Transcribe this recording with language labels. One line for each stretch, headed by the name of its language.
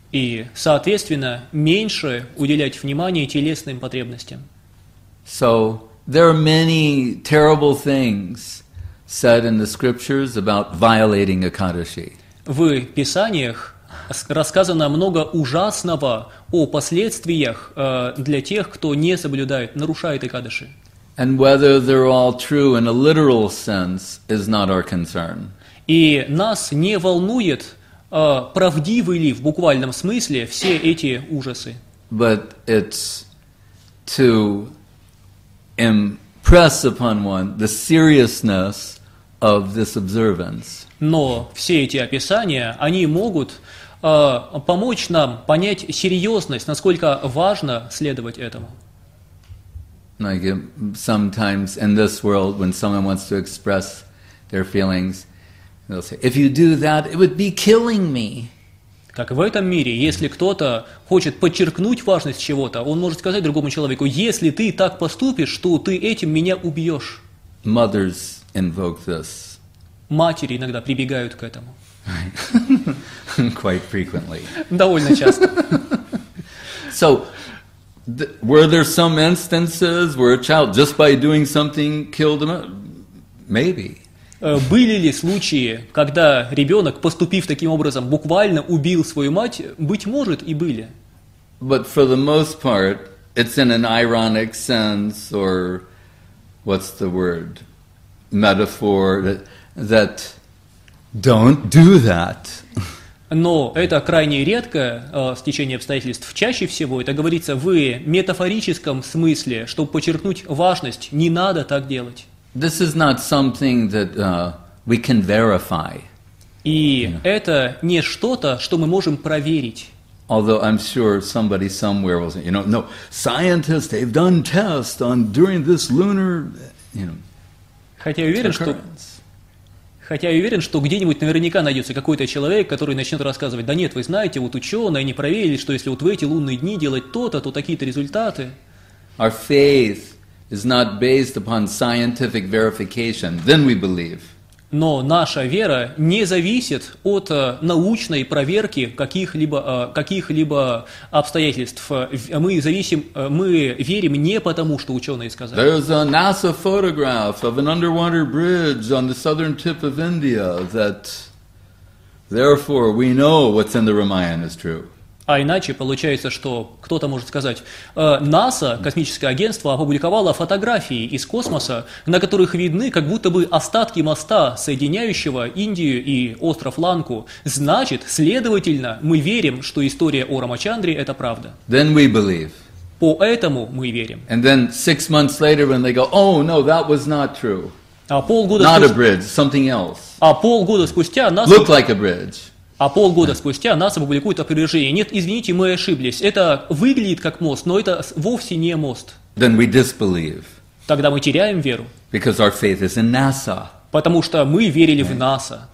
Russian: И, соответственно, меньше уделять внимания телесным потребностям.
English: So there are many terrible things said in the scriptures about violating Ekadashi.
Russian: В писаниях рассказано много ужасного о последствиях для тех, кто не соблюдает, нарушает Экадаши.
English: And whether they're all true in a literal sense is not our concern.
Russian: И нас не волнует, правдивы ли в буквальном смысле все эти ужасы.
English: But it's to impress upon one the seriousness of this observance.
Russian: Но все эти описания, они могут помочь нам понять серьезность, насколько важно следовать этому.
English: Like sometimes in this world, when someone wants to express their feelings, they'll say, "If you do that, it would be killing me."
Russian: Как в этом мире, если кто-то хочет подчеркнуть важность чего-то, он может сказать другому человеку: "Если ты так поступишь, то ты этим меня убьешь."
English: Mothers invoke this.
Russian: Матери иногда прибегают к этому.
English: Right. Quite frequently.
Russian: Довольно часто.
English: So, were there some instances where a child just by doing something killed him? Maybe.
Russian: Были ли случаи, когда ребенок, поступив таким образом, буквально убил свою мать? Быть может, и были.
English: But for the most part, it's in an ironic sense, or what's the word? Metaphor that don't do that.
Russian: Но это крайне редко стечение обстоятельств. Чаще всего это говорится в метафорическом смысле, чтобы подчеркнуть важность. Не надо так делать.
English: This is not something that we can verify.
Russian: И это не что-то, что мы можем проверить.
English: Although I'm sure somebody somewhere was, you know, no, scientists, they've done tests on during this lunar, you know.
Russian: Хотя я уверен, что где-нибудь наверняка найдется какой-то человек, который начнет рассказывать: да нет, вы знаете, вот ученые, они проверили, что если вот в эти лунные дни делать то-то, то такие-то результаты.
English: Our faith is not based upon scientific verification. Then we believe.
Russian: Но наша вера не зависит от научной проверки каких-либо обстоятельств. Мы верим не потому, что ученые сказали.
English: There's a NASA photograph of an underwater bridge on the southern tip of India that Therefore, we know what's in the Ramayana is true.
Russian: А иначе получается, что кто-то может сказать, НАСА, космическое агентство, опубликовало фотографии из космоса, на которых видны как будто бы остатки моста, соединяющего Индию и остров Ланку. Значит, следовательно, мы верим, что история о Рамачандре – это правда.
English: Then we believe.
Russian: Поэтому мы верим.
English: And then 6 months later, when they go, oh, no, that was not true. Not a bridge, something else.
Russian: А полгода спустя НАСА…
English: Looked like a bridge.
Russian: А полгода спустя НАСА публикует опровержение. Нет, извините, мы ошиблись. Это выглядит как мост, но это вовсе не мост.
English: Then we disbelieve.
Russian: Тогда мы теряем веру.
English: Because our faith is in NASA.
Russian: Потому что мы верили right. в НАСА.